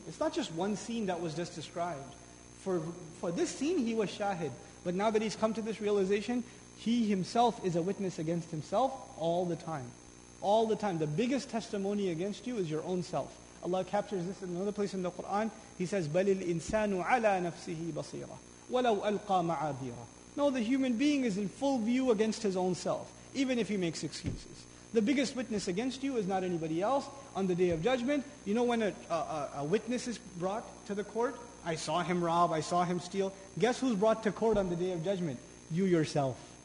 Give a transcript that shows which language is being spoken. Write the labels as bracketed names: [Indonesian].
[English] It's not just one scene that was just described. For this scene, he was shahid. But now that he's come to this realization, he himself is a witness against himself all the time. All the time. The biggest testimony against you is your own self. Allah captures this in another place in the Quran. He says, [Arabic] بَلِ الْإِنسَانُ عَلَى نَفْسِهِ بَصِيرًا وَلَوْ أَلْقَى مَعَاذِيرًا. [English] No, the human being is in full view against his own self, even if he makes excuses. The biggest witness against you is not anybody else. On the Day of Judgment, you know when a witness is brought to the court? I saw him rob, I saw him steal. Guess who's brought to court on the Day of Judgment? You yourself.